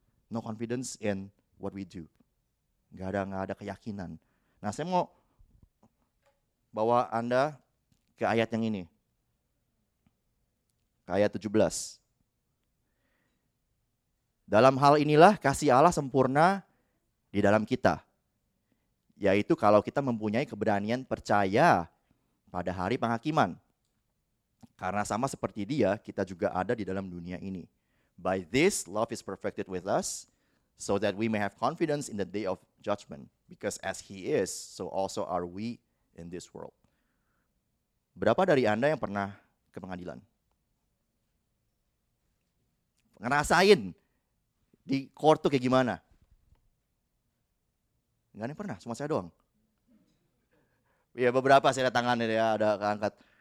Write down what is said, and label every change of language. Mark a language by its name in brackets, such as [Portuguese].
[English] No confidence in what we do. [Indonesian] Gak ada keyakinan. Nah saya mau bawa Anda ke ayat yang ini. Ke ayat 17. Dalam hal inilah kasih Allah sempurna di dalam kita. Yaitu kalau kita mempunyai keberanian percaya pada hari penghakiman. Karena sama seperti dia, kita juga ada di dalam dunia ini. [English] By this, love is perfected with us, so that we may have confidence in the day of judgment. Because as he is, so also are we in this world. [Indonesian] Berapa dari Anda yang pernah ke pengadilan? Ngerasain di court tuh kayak gimana? Enggak ada yang pernah, cuma saya doang. Ya beberapa saya ada tangannya, ya, ada keangkat.